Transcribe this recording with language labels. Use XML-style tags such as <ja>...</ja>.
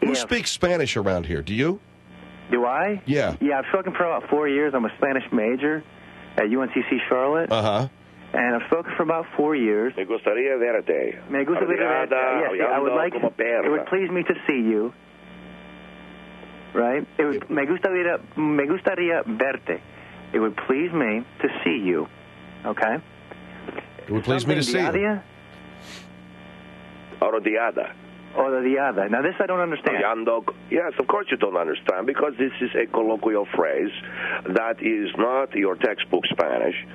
<en>Who speaks Spanish around here? Do you? Do I? Yeah. Yeah, I've spoken for about 4 years. I'm a Spanish major at UNCC Charlotte. Uh-huh. And I've spoken for about 4 years.</en> <es>Me gustaría verte. Me gustaría verte.</es> <en>Yes, I would like... It would please me to see you. Right? It would,</en> <es>me gustaría verte.</es> <en>It would please me to see you. Okay. It would please Something me to see. Orodiada. Orodiada. Now, this I don't understand. Oriando. Yes, of course you don't understand, because this is a colloquial phrase that is not your textbook Spanish.</en>